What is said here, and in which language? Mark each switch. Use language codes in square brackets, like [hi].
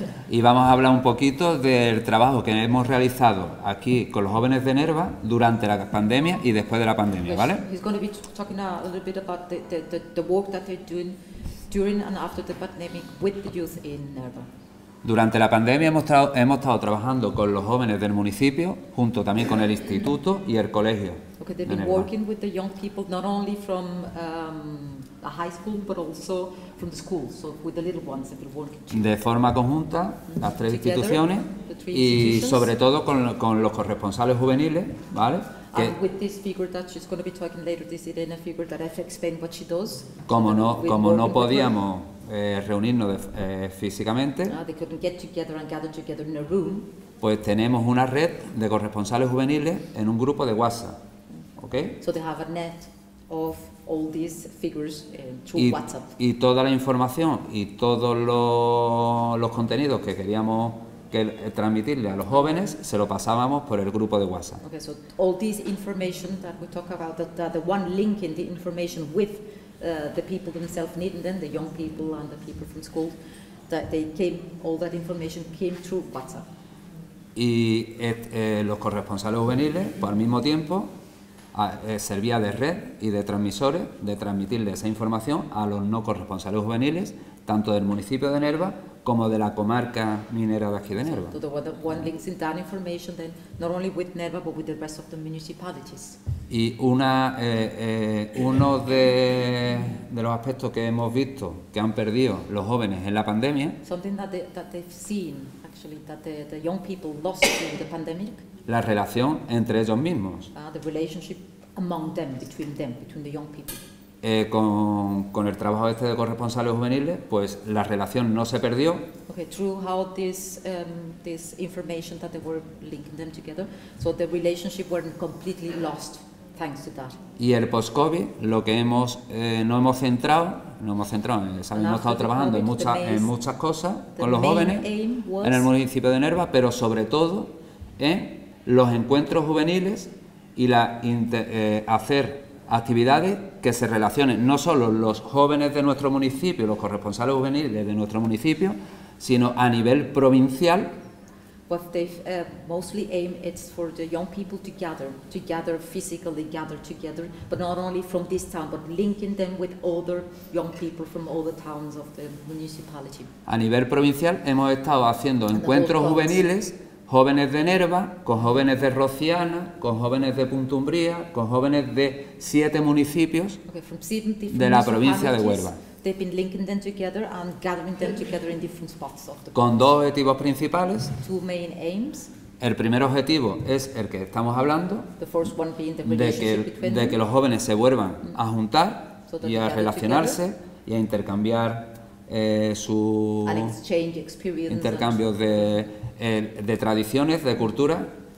[es] Y vamos a hablar un poquito del trabajo que hemos realizado aquí con los jóvenes de Nerva durante la pandemia y después de la pandemia, ¿vale? [en] He's going to be talking a little bit about the work that they're doing during and after the pandemic with the youth in Nerva. [es] Durante la pandemia hemos estado trabajando con los jóvenes del municipio, junto también con el instituto y el colegio. [en] Okay, they've been working with the young people not only from a high school, but also from the school, so with the little ones that we're working together. [es] De forma conjunta, las tres instituciones, y sobre todo con los corresponsales juveniles, ¿vale? [en] Que, with this figure that she's going to be talking later, this Irene figure that I've explained what she does. [es] Como no podíamos reunirnos físicamente, [en] they couldn't get together and gather together in a room. [es] Pues tenemos una red de corresponsales juveniles en un grupo de WhatsApp, ¿okay? [en] So they have a net of all these figures through WhatsApp. [es] Y toda la información y todos los contenidos que queríamos transmitirle a los jóvenes se lo pasábamos por el grupo de WhatsApp. [en] Okay, so all this information that we talk about, that the one link in the information with the people themselves needing them, the young people and the people from school, that they came, all that information came through WhatsApp. [es] Y los corresponsales juveniles, pues, al mismo tiempo, servía de red y de transmisores de transmitirle esa información a los no corresponsales juveniles, tanto del municipio de Nerva como de la comarca minera de aquí de Nerva. [en] So the one links in that information then not only with Nerva but with the rest of the municipalities. [es] Y uno de los aspectos que hemos visto que han perdido los jóvenes en la pandemia, [en] something that they've seen actually that the young people lost during the pandemic. [es] La relación entre ellos mismos. [en] The relationship among them, between them, between the young people. [es] Con el trabajo este de corresponsales juveniles, pues la relación no se perdió. [en] Okay, through how this this information that they were linking them together, so the relationship weren't completely lost thanks to that. [es] Y el post-COVID, lo que hemos no hemos centrado, hemos estado trabajando en muchas cosas con los jóvenes en el municipio de Nerva, pero sobre todo en los encuentros juveniles y la hacer actividades que se relacionen no solo los jóvenes de nuestro municipio, los corresponsales juveniles de nuestro municipio, sino a nivel provincial. [en] What they've mostly aim it's for the young people to gather physically, gather together, but not only from this town, but linking them with other young people from all the towns of the municipality. [es] A nivel provincial hemos estado haciendo encuentros juveniles. Jóvenes de Nerva, con jóvenes de Rociana, con jóvenes de Puntumbría, con jóvenes de siete municipios de la provincia de Huelva. [en] They've been linking them together and gathering them together in different spots of the. [es] Con dos objetivos principales. [en] Two main aims. [es] El primer objetivo es el que estamos hablando, de que los jóvenes se vuelvan a juntar y a relacionarse y a intercambiar intercambios de tradiciones, de cultura.